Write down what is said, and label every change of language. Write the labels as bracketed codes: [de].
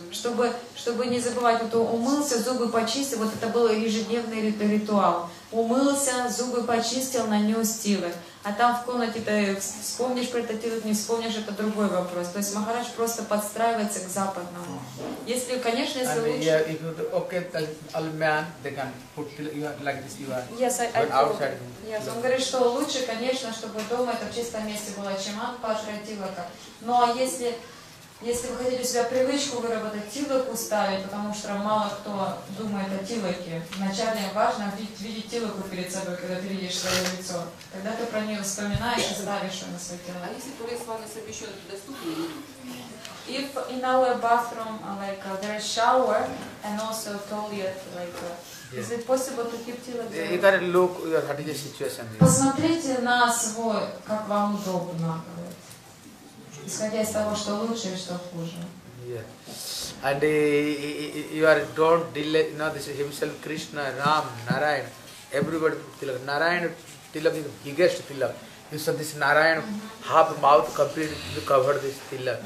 [ru] Чтобы не забывать, вот умылся, зубы почистил, вот это был ежедневный ритуал. Умылся, зубы почистил, нанес тилак. А там в комнате ты вспомнишь про этот тилак, не вспомнишь, это другой вопрос. То есть Махарадж просто подстраивается к западному. Если, конечно, если [en] and [ru] лучше... [en] Yeah, if you do, okay, tell all men, they can put tilak, you are like this, you are... Yes, I do. Outside. [ru] Yes, он говорит, что лучше, конечно, чтобы дома это в чистом месте было, чем анпашра тилака. Ну а если вы хотите у себя привычку выработать тилаку ставить, потому что мало кто думает о тилаке, вначале важно видеть тилаку перед собой, когда ты видишь свое лицо. Тогда ты про нее вспоминаешь и ставишь ее на свое тело. А если туалет с вами совмещен, это доступно? [en] If in our bathroom, like there is shower and also toilet, like is it possible to keep tilak? You gotta look your hygiene situation. [ru] Посмотрите на свой, как вам удобно. Исходя из того, что лучше и что хуже. [en] Yeah. And you are don't delay. You know, this is himself, Krishna, Ram, Narayan. Everybody put tilak. Narayan tilak is the biggest tilak. You saw this Narayan half mouth completely covered this tilak.